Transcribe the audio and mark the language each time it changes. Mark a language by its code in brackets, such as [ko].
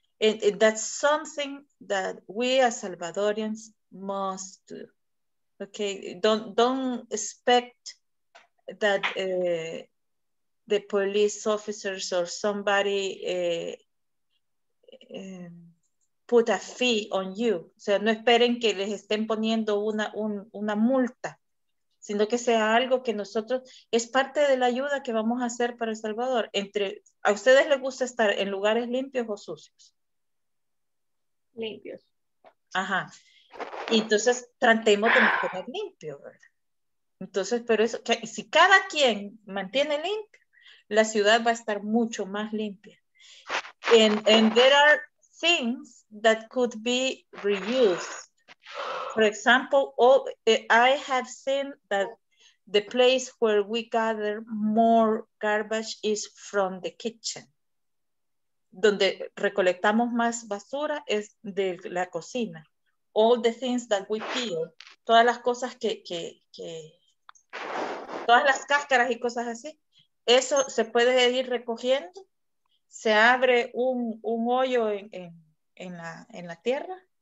[en] And that's something that we as Salvadorians must do. Okay. Don't expect that the police officers or somebody put a fee on you. [es] O sea, no esperen que les estén poniendo una multa, sino que sea algo que nosotros, es parte de la ayuda que vamos a hacer para El Salvador. ¿A ustedes les gusta estar en lugares limpios o sucios? Limpios. Ajá. Entonces, tratemos de mantener limpio, ¿verdad? Entonces, pero eso, que, si cada quien mantiene limpio, la ciudad va a estar mucho más limpia. [en] And there are things that could be reused. For example, I have seen that the place where we gather more garbage is from the kitchen. [es] Donde recolectamos más basura es de la cocina. [en] All the things that we peel, [es] todas las cosas que todas las cáscaras y cosas así, eso se puede ir recogiendo. Se abre un hoyo en la tierra.